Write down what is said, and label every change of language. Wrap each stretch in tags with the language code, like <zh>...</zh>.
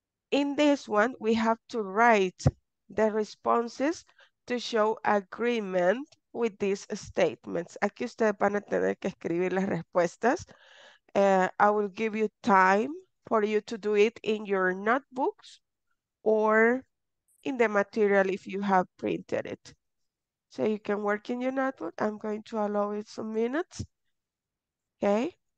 <en>In this one, we have to write the responses to show agreement with these statements.</en> <es>Aquí ustedes van a tener que escribir las respuestas.</es> <en>I will give you time for you to do it in your notebooks or in the material if you have printed it. So you can work in your notebook. I'm going to allow it some minutes. Okay.</en>